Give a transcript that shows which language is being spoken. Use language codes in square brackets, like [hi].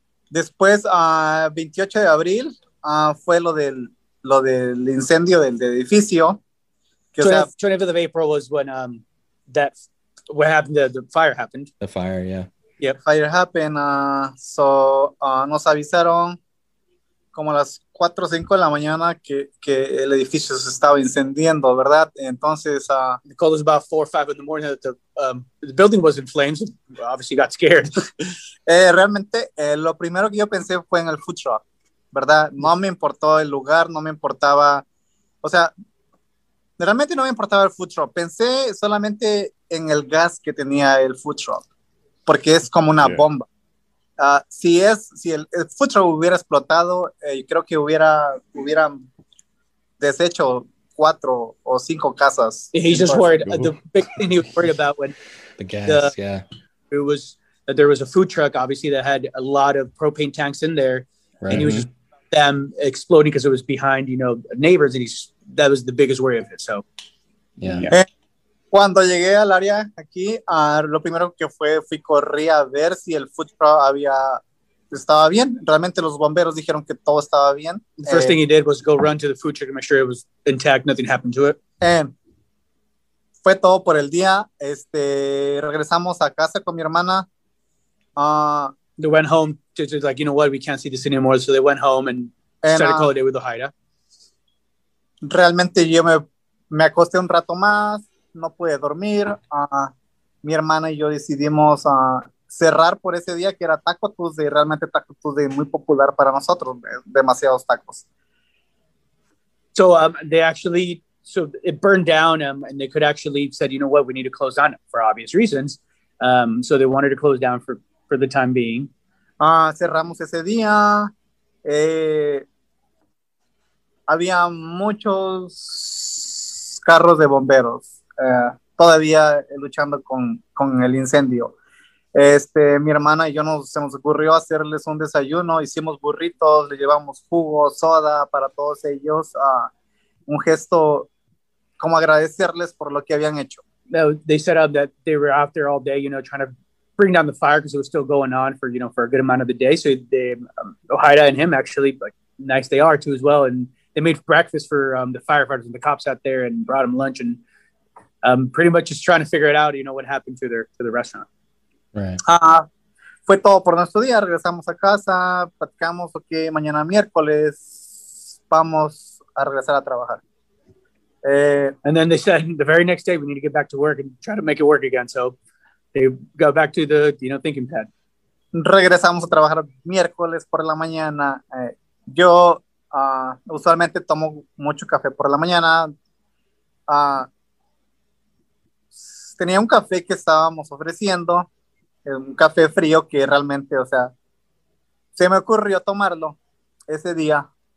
[es] Después, 28 de abril, fue lo del incendio del edificio. [en] The 20th of April was when what happened, the fire happened. The fire, yeah. Yep. Fire happened. [es] Nos avisaron como las 4 o 5 de la mañana que el edificio se estaba incendiando, ¿verdad? Entonces, [en] they called us about 4 or 5 in the morning that the building was in flames. We obviously got scared. [es] Realmente, lo primero que yo pensé fue en el food truck, ¿verdad? No me importó el lugar, no me importaba, o sea, realmente no me importaba el food truck. Pensé solamente en el gas que tenía el food truck, porque es como una bomba. Si el food truck hubiera explotado, creo que hubieran deshecho 4 o 5 casas. [en] He's just worried. The big thing he was worried about when the gas, it was that there was a food truck, obviously, that had a lot of propane tanks in there, and he was just them exploding because it was behind, you know, neighbors, and that was the biggest worry of it. So, [es] Cuando llegué al área aquí, lo primero que fui corrí a ver si el food truck estaba bien. Realmente los bomberos dijeron que todo estaba bien. [en] The first thing he did was go run to the food truck and make sure it was intact, nothing happened to it. [es] Fue todo por el día. Regresamos a casa con mi hermana. [en] They went home to like, you know what, we can't see this anymore. So they went home and started calling it with Ohida. [es] Realmente yo me acosté un rato más. No pude dormir. Mi hermana y yo decidimos cerrar por ese día, que era Taco Tuesday, realmente Taco Tuesday muy popular para nosotros, demasiados tacos. [en] So they actually so it burned down, and they could actually said, you know what, we need to close down for obvious reasons. So they wanted to close down for the time being. [es] Cerramos ese día. Había muchos carros de bomberos todavía luchando con el incendio. Mi hermana y yo se nos ocurrió hacerles un desayuno. Hicimos burritos, le llevamos jugo, soda para todos ellos. Un gesto como agradecerles por lo que habían hecho. [en] They set up that they were out there all day, you know, trying to bring down the fire because it was still going on for, you know, for a good amount of the day. So they, Ojeda and him actually, like, nice they are too as well. And they made breakfast for the firefighters and the cops out there and brought them lunch and pretty much just trying to figure it out, you know, what happened to the restaurant. Right. [es] Fue todo por nuestro día. Regresamos a casa, platicamos, okay, mañana miércoles vamos a regresar a trabajar. [en] And then they said the very next day we need to get back to work and try to make it work again. So they go back to the, you know, thinking pad. [es] Regresamos a trabajar miércoles por la mañana. Yo usualmente tomo mucho café por la mañana. Tenía un café que estábamos ofreciendo, un café frío que realmente, o sea, se me ocurrió tomarlo ese día.